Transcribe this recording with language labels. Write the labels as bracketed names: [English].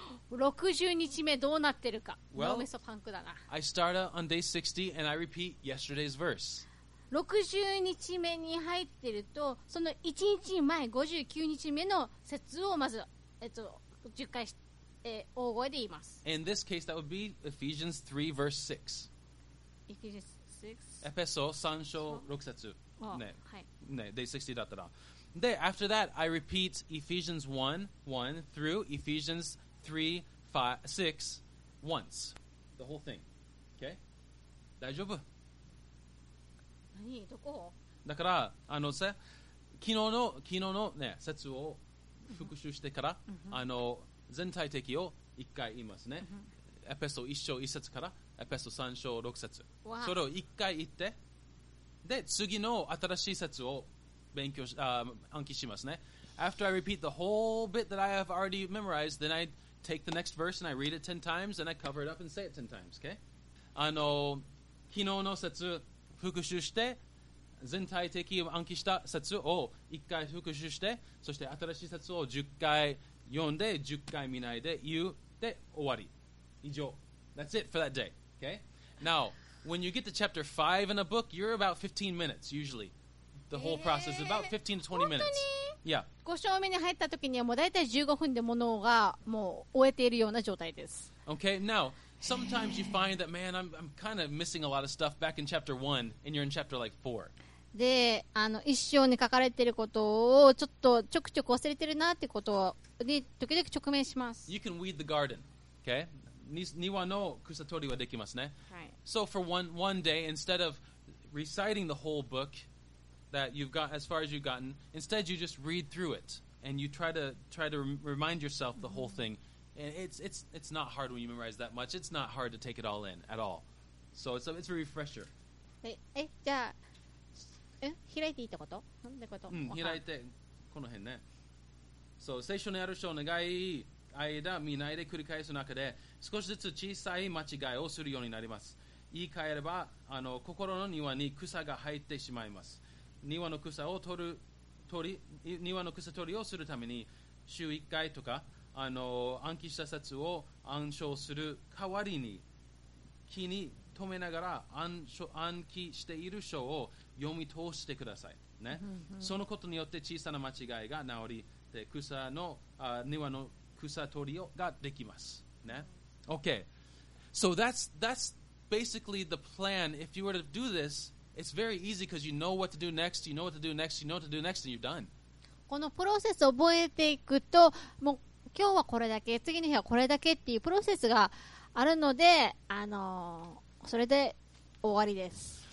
[Japanese] 60日目どうなってるか。脳みそパンクだな。 [English] I start on day 60 and I repeat yesterday's verse. [Japanese] 60日目に入ってるとその1日前59日目の節をまず10回大声で言います。 [English] In this case, that would be Ephesians 3, verse 6. Ephesians 6? [Japanese] Epheso 3章6節。 [English] Day 60 [Japanese] だったら。 [English] で、after that, I repeat Ephesians 1 through Ephesians 3, 5, 6 once. The whole thing. Okay? [Japanese] 大丈夫。何？どこ？だから、あのさ、昨日の、ね、説を復習してから、うん、あの全体的を一回言いますね、うん、エペソ1章1節からエペソ3章6節それを一回言ってで次の新しい説を勉強し暗記しますね。 [English] After I repeat the whole bit that I have already memorized, then I take the next verse and I read it 10 times and I cover it up and say it 10 times、okay? [Japanese] あの昨日の説復習して全体的を暗記した説を一回復習してそして新しい説を10回読んで10回見ないで言うで終わり以上。 [English] That's it for that day. Okay. Now, when you get to chapter 5 in a book, you're about 15 minutes usually. The whole process is about 15 to 20 minutes. [Japanese] 本当に？ [English] Yeah. [Japanese] 5章目に入った時にはもうだいたい15分でものがもう終えているような状態です。 [English] Okay. Now, sometimes you find that, man, I'm kind of missing a lot of stuff back in chapter 1 and you're in chapter like 4. [Japanese] で、あの一章に書かれていることをちょっとちょくちょく忘れてるなってことに時々直面します。 [English] You can weed the garden. Okay. [Japanese] 庭の草取りはできますね。はい、 [English] so for one day, instead of reciting the whole book that you've got as far as you've gotten, instead you just read through it and you try to remind yourself the whole thing. And it's not hard when you memorize that much. It's not hard to take it all in at all. So it's a refresher. [Japanese] じゃあ、開いていいってこと？うん、開いてこの辺ね。 So 聖書にある章長い間見ないで繰り返す中で。少しずつ小さい間違いをするようになります。言い換えれば、あの心の庭に草が入ってしまいます。庭の草を庭の草取りをするために、週1回とか、あの暗記した説を暗唱する代わりに、気に留めながら暗記している書を読み通してください、ね。そのことによって小さな間違いが治り、で庭の草取りができます。 [English] ね、Okay, so that's basically the plan. If you were to do this, it's very easy because you know what to do next, you know what to do next, you know what to do next, and you're done. [Japanese] このプロセスを覚えていくと、もう今日はこれだけ、次の日はこれだけっていうプロセスがあるので、それで終わりです。